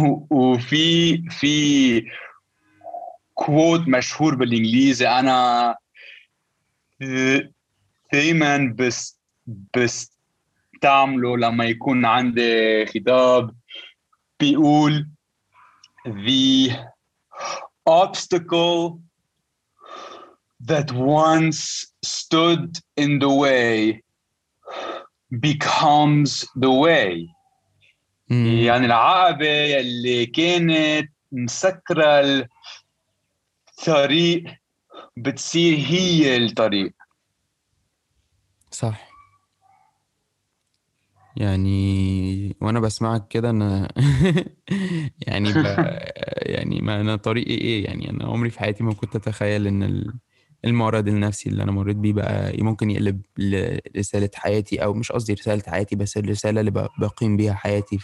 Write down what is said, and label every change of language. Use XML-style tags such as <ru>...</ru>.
<ar>وفي كوت مشهور بالإنجليزي أنا دايما بس تعمله لما يكون عندي خطاب، بيقول</ar> <en>obstacle that once stood in the way becomes the way.</en> <ar>يعني العقبة اللي كانت مسكرة الطريق بتصير هي الطريق. صح. يعني وانا بسمعك كده انا يعني يعني ما انا طريقي ايه يعني، انا عمري في حياتي ما كنت اتخيل ان المعرض النفسي اللي انا مريت بيه بقى ممكن يقلب لرسالة حياتي، او مش قصدي رسالة حياتي بس الرسالة اللي بقيم بيها حياتي.</ar>